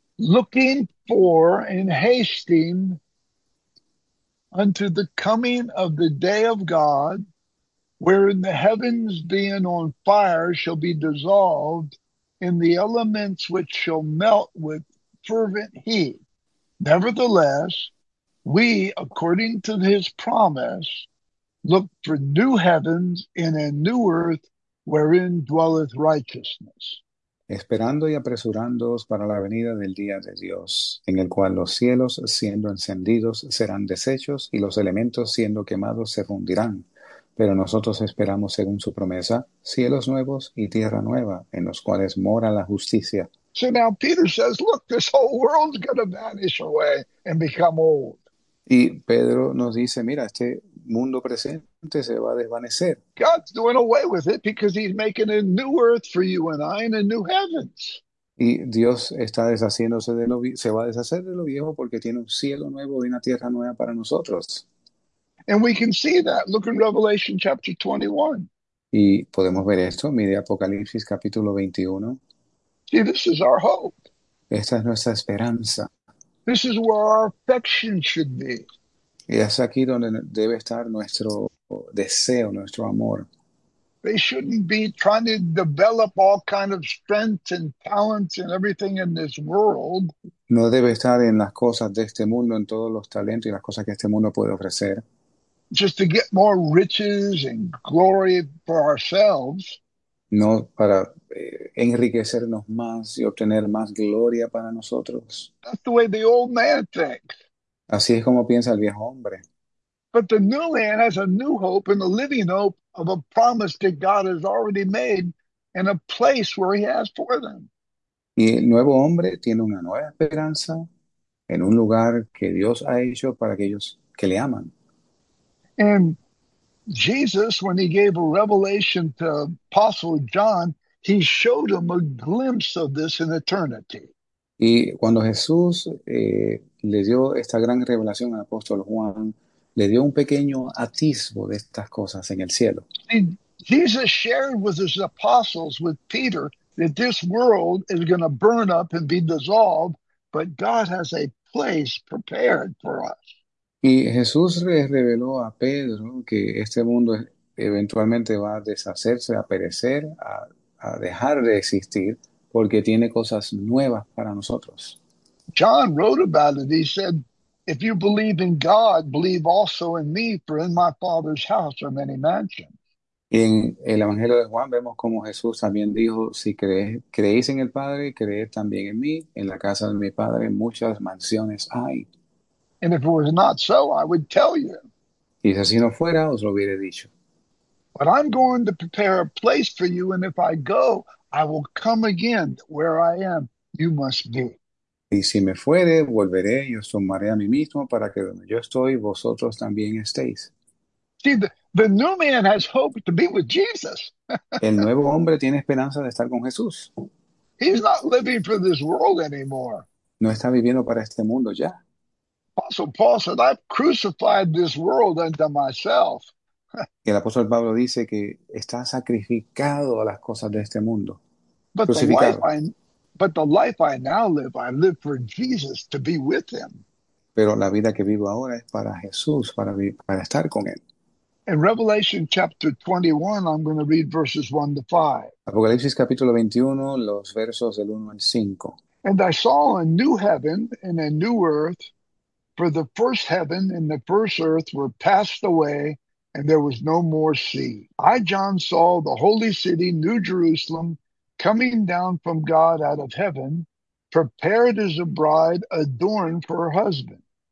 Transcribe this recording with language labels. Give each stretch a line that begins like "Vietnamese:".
English: Looking for and hasting unto the coming of the day of God, wherein the heavens being on fire shall be dissolved, and the elements which shall melt with fervent heat. Nevertheless, we, according to his promise, look for new heavens and a new earth wherein dwelleth righteousness.
Spanish: Esperando y apresurándoos para la venida del día de Dios, en el cual los cielos, siendo encendidos, serán deshechos y los elementos, siendo quemados, se fundirán. Pero nosotros esperamos, según su promesa, cielos nuevos y tierra nueva, en los cuales mora la justicia.
English: So now Peter says, look, this whole world's going to vanish away and become old.
Spanish: Y Pedro nos dice, mira, este mundo presente se va a desvanecer.
English: God's doing away with it because he's making a new earth for you and I and a new heavens.
Spanish: Y Dios está deshaciéndose de lo, se va a deshacer de lo viejo porque tiene un cielo nuevo y una tierra nueva para nosotros.
English: And we can see that. Look in Revelation chapter 21.
Spanish: Y podemos ver esto, mire Apocalipsis capítulo 21.
English: See, this is our hope.
Spanish: Esta es nuestra esperanza.
English: This is where our affection should be.
Spanish: Y es aquí donde debe estar nuestro deseo, nuestro amor.
English: They shouldn't be trying to develop all kind of strengths and talents and everything in this world.
Spanish: No debe estar en las cosas de este mundo, en todos los talentos y las cosas que este mundo puede ofrecer.
English: Just to get more riches and glory for ourselves.
Spanish: No para enriquecernos más y obtener más gloria para nosotros.
English: That's the way the old man thinks.
Spanish: Así es como piensa el viejo hombre.
English: But the new man has a new hope and a living hope of a promise that God has already made and a place where he has for them.
Spanish: Y el nuevo hombre tiene una nueva esperanza en un lugar que Dios ha hecho para aquellos que le aman.
English: And Jesus, when he gave a revelation to Apostle John, he showed him a glimpse of this in eternity.
Spanish: Y cuando Jesús le dio esta gran revelación al apóstol Juan, le dio un pequeño atisbo de estas cosas en el cielo.
English: And Jesus shared with his apostles, with Peter, that this world is going to burn up and be dissolved, but God has a place prepared for us.
Spanish: Y Jesús le reveló a Pedro que este mundo eventualmente va a deshacerse, a perecer, a dejar de existir, porque tiene cosas nuevas para nosotros.
English: John wrote about it. He said, if you believe in God, believe also in me, for in my Father's house are many mansions.
Spanish: En el Evangelio de Juan vemos cómo Jesús también dijo, si creéis en el Padre, creed también en mí, en la casa de mi Padre muchas mansiones hay.
English: And if it was not so, I would tell you.
Spanish: Y si así no fuera, os lo hubiera dicho.
English: But I'm going to prepare a place for you, and if I go, I will come again where I am. You must be.
Spanish: Y si me fuere, volveré y os tomaré a mí mismo para que donde yo estoy, vosotros también estéis.
English: See, the new man has hope to be with Jesus.
Spanish: El nuevo hombre tiene esperanza de estar con Jesús.
English: He's not living for this world anymore.
Spanish: No está viviendo para este mundo ya.
English: Apostle Paul said, I've crucified this world unto myself.
Spanish: El apóstol Pablo dice que está sacrificado a las cosas de este mundo, crucificado.
English: But the life I now live, I live for Jesus to be with him.
Spanish: Pero la vida que vivo ahora es para Jesús, para estar con Él.
English: In Revelation chapter 21, I'm going to read verses 1 to 5.
Spanish: Apocalipsis capítulo 21, los versos del 1 al 5.
English: And I saw a new heaven and a new earth. For the first heaven and the first earth were passed away, and there was no more sea. I, John, saw the holy city, New Jerusalem, coming down from God out of heaven, prepared as a bride adorned for her husband.